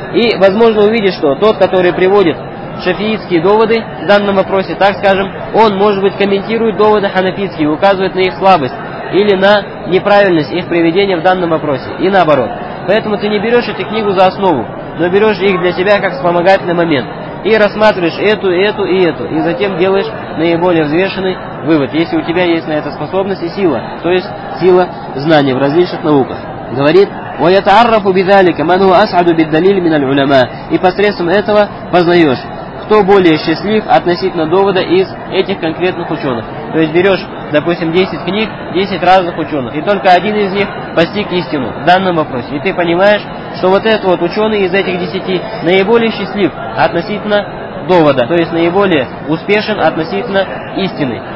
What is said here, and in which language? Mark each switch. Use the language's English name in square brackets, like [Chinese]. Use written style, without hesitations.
[Russian] И, возможно, увидишь, что тот, который приводит шафиитские доводы в данном вопросе, так скажем, он, может быть, комментирует доводы ханафитские, указывает на их слабость или на неправильность их приведения в данном вопросе. И наоборот. Поэтому ты не берешь эту книгу за основу, но берешь их для себя как вспомогательный момент. И рассматриваешь эту, и эту. И затем делаешь наиболее взвешенный вывод, если у тебя есть на это способность и сила. То есть сила знания в различных науках. Говорит, [Arabic] وَيَتَعَرَّفُ بِذَلِكَ مَنْهُ أَسْعَدُ بِالدَّلِيلِ مِنَ الْعُلَمَا. [Russian] И посредством этого познаешь, кто более счастлив относительно довода из этих конкретных ученых. То есть берешь, допустим, 10 книг, 10 разных ученых, и только один из них постиг истину в данном вопросе. И ты понимаешь, что вот этот вот ученый из этих 10 наиболее счастлив относительно довода, то есть наиболее успешен относительно истины.